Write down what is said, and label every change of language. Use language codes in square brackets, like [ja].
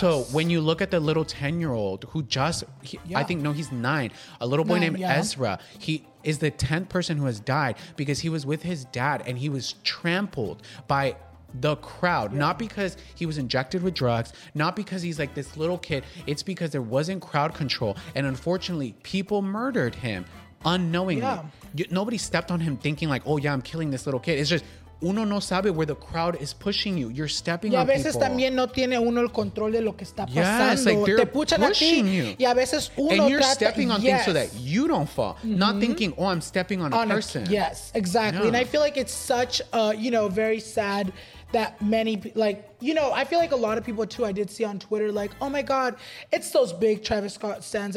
[en] So when you look at the little 10-year-old who just, he's nine, a little boy named Ezra, he is the 10th person who has died because he was with his dad and he was trampled by the crowd, not because he was injected with drugs, not because he's like this little kid, it's because there wasn't crowd control. And unfortunately, people murdered him unknowingly. Yeah. Nobody stepped on him thinking like, oh yeah, I'm killing this little kid. It's just, [es] uno no sabe [en] where the crowd is pushing you. You're stepping on people. [es] Y a veces también no tiene uno el control de lo que está pasando. [en] Yes, like they're pushing you. [es] Y a veces uno [en] and you're stepping on things so that you don't fall. Mm-hmm. Not thinking, oh, I'm stepping on a person. Yes, exactly. Yeah. And I feel like it's such a, you know, very sad that many, like, you know, I feel like a lot of people too, I did see on Twitter, like, oh my God, it's those big Travis Scott stands.